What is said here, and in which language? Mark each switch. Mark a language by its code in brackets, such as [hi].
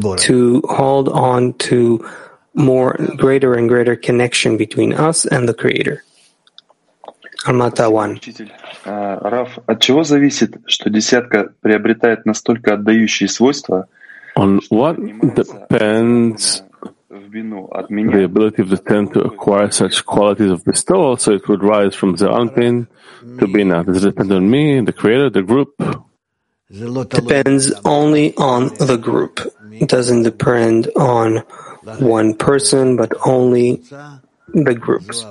[en] To hold on to more greater and greater connection between us and the Creator. Almata 1. [ru] Rav, от чего зависит, что десятка приобретает настолько отдающие свойства? [en] On what depends the ability of the Ten to acquire such qualities of bestowal, so it would rise from Zalantin to Bina? Does it depend on me, the Creator, the group? Depends only on the group. It doesn't depend on one person, but only the groups.